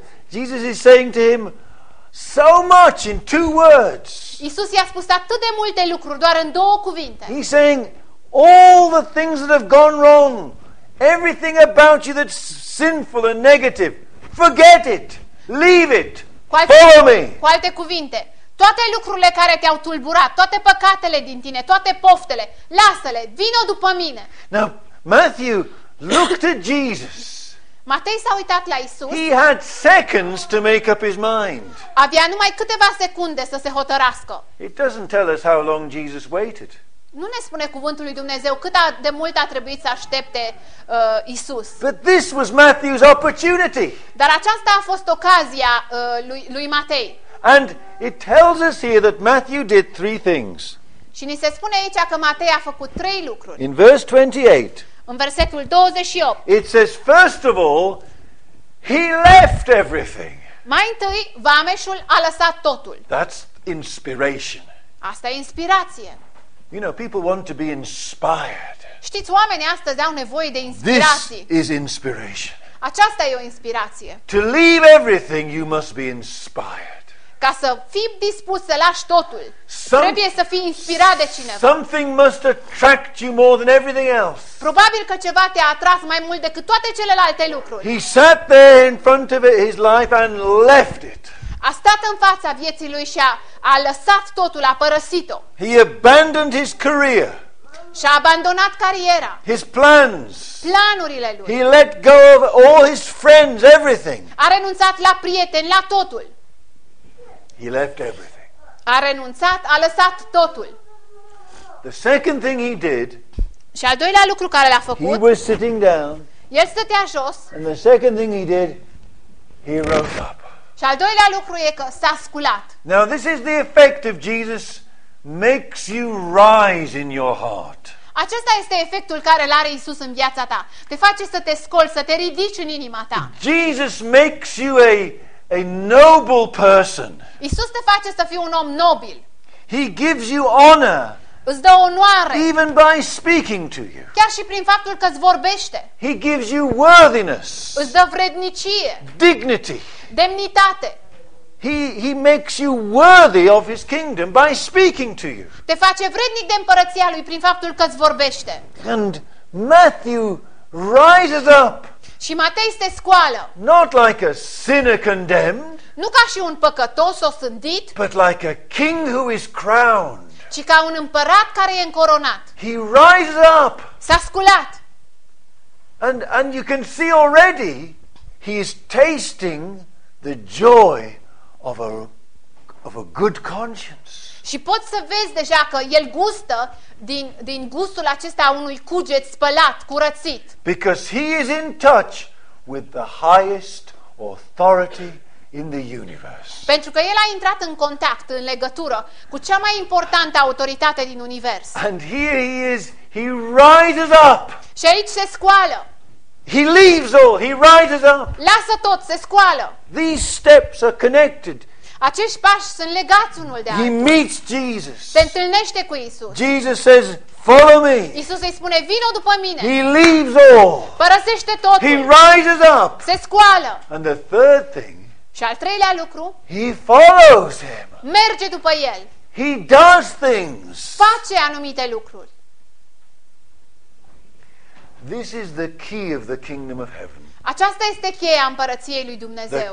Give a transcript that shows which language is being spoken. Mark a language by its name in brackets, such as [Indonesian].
[English] Jesus is saying to him so much in two words. [Romanian] Iisus i-a spus atât de multe lucruri doar în două cuvinte. [English] He's saying all the things that have gone wrong, everything about you that's sinful and negative, forget it, leave it, follow me. [Romanian] Cu alte cuvinte, toate lucrurile care te-au tulburat, toate păcatele din tine, toate poftele, lasă-le, vino după mine. [English] Now, Matthew looked at Jesus. [Romanian] Matei s-a uitat la Isus. [English] He had seconds to make up his mind. [Romanian] Avea numai câteva secunde să se hotărască. [English] It doesn't tell us how long Jesus waited. [Romanian] Nu ne spune cuvântul lui Dumnezeu cât de mult a trebuit să aștepte Isus. [English] But this was Matthew's opportunity. [Romanian] Dar aceasta a fost ocazia lui Matei. [English] And it tells us here that Matthew did three things. [Romanian] Și ni se spune aici că Matei a făcut trei lucruri. [English] In verse 28. [Romanian] În versetul 28. [English] It says first of all he left everything. [Romanian] Mai întâi vameșul a lăsat totul. [English] That's inspiration. [Romanian] Asta e inspirație. [English] You know, people want to be inspired. [Romanian] Știți, oamenii astăzi au nevoie de inspirație. [English] This is inspiration. [Romanian] Aceasta e o inspirație. [English] To leave everything, you must be inspired. [Romanian] Ca să fii dispus să lași totul, trebuie să fii inspirat de cineva. [English] Something must attract you more than everything else. [Romanian] Probabil că ceva te-a atras mai mult decât toate celelalte lucruri. [English] He sat there in front of his life and left it. [Romanian] A stat în fața vieții lui și a lăsat totul, a părăsit-o. [English] He abandoned his career. [Romanian] Și-a abandonat cariera. [English] His plans. [Romanian] Planurile lui. [English] He let go of all his friends, everything. [Romanian] A renunțat la prieteni, la totul. [English] He left everything. [Romanian] A renunțat, a lăsat totul. [English] The second thing he did. [Romanian] Și al doilea lucru care l-a făcut. [English] He was sitting down. [Romanian] El stătea jos. [English] And the second thing he did, he rose up. [Romanian] Și al doilea lucru e că s-a sculat. [English] Now this is the effect of Jesus makes you rise in your heart. [Romanian] Acesta este efectul care l-are Iisus în viața ta. Te face să te scoli, să te ridici în inima ta. [English] Jesus makes you a noble person. [Romanian] Iisus te face să fii un om nobil. [English] He gives you honor. [Romanian] Îți dă onoare. [English] Even by speaking to you. [Romanian] Chiar și prin faptul că îți vorbește. [English] He gives you worthiness. [Romanian] Îți dă vrednicie. [English] Dignity. [Romanian] Demnitate. [English] He makes you worthy of his kingdom by speaking to you. [Romanian] Te face vrednic de împărăția lui prin faptul că îți vorbește. [English] And Matthew rises up. [Romanian] Și Matei se scoală. [English] Not like a sinner condemned. [Romanian] Nu ca și un păcătos osândit. [English] But like a king who is crowned. [Romanian] Ci ca un împărat care e încoronat. [English] He rises up. [Romanian] S-a sculat. [English] And you can see already he is tasting the joy of a good conscience. [Romanian] Și poți să vezi deja că el gustă din gustul acesta a unui cuget spălat, curățit. [English] Because he is in touch with the highest authority in the universe. [Romanian] Pentru că el a intrat în contact, în legătură cu cea mai importantă autoritate din univers. [English] And here he is, he rises up. [Romanian] Și aici se scoală. [English] He leaves all, he rises up. [Romanian] Lasă tot, se scoală. [English] These steps are connected. [Romanian] Acești pași sunt legați unul de altul. [English] He meets Jesus. [Romanian] Se întâlnește cu Isus. [English] Jesus says, "Follow me." [Romanian] Isus îi spune, "Vino după mine." [English] He leaves all. [Romanian] Părăsește totul. [English] He rises up. [Romanian] Se scoală. [English] And the third thing. [Romanian] Și al treilea lucru. [English] He follows him. [Romanian] Merge după el. [English] He does things. [Romanian] Face anumite lucruri. [English] This is the key of the kingdom of heaven. [Romanian] Aceasta este cheia împărăției lui Dumnezeu.